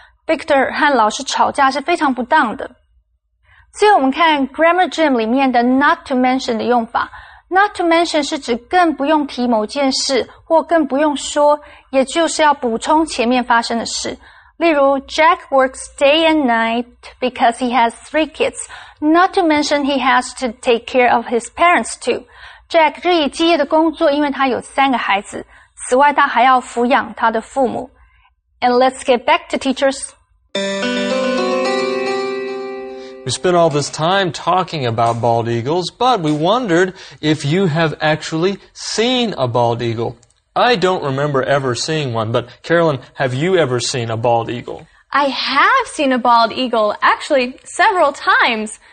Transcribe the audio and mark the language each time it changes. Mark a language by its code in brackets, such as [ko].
[zh] Victor 和老师吵架是非常不当的。最后我们看 Grammar Gym 里面的 not to mention 的用法。 Not to mention 是指更不用提某件事或更不用说，也就是要补充前面发生的事。例如 [en] Jack works day and night because he has 3 kids. Not to mention he has to take care of his parents too. [zh] Jack 日以继夜的工作，因为他有三个孩子，此外他还要抚养他的父母。 [en] And let's get back to teachers. We spent all this time talking about bald eagles, but we wondered if you have actually seen a bald eagle. I don't remember ever seeing one, but Carolyn, have you ever seen a bald eagle? I have seen a bald eagle, actually, several times.